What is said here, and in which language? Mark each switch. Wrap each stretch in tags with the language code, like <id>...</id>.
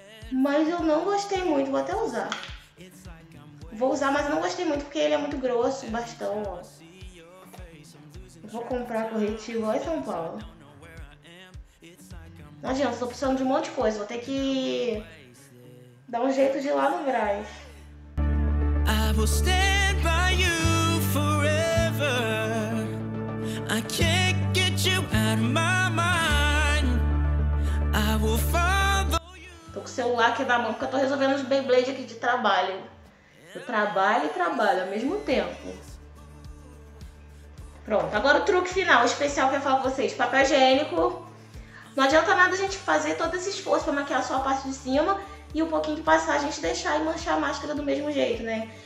<pt>Mas eu não gostei muito, vou até usar. Vou usar, mas eu não gostei muito porque ele é muito grosso, o bastão, ó. Vou comprar corretivo, ó, em São Paulo. Não, gente, eu tô precisando de um monte de coisa. Vou ter que dar um jeito de ir lá no Brás.</pt> <en>I will stand by you forever. I can't get you out of my mind. I will follow you.</en> <pt>Tô com o celular aqui na mão porque eu tô resolvendo os Beyblade aqui de trabalho. Eu trabalho e trabalho ao mesmo tempo. Pronto, agora o truque final, o especial que eu ia falar com vocês. Papel higiênico. Não adianta nada a gente fazer todo esse esforço pra maquiar só a parte de cima e um pouquinho que passar a gente deixar e manchar a máscara do mesmo jeito, né?</pt>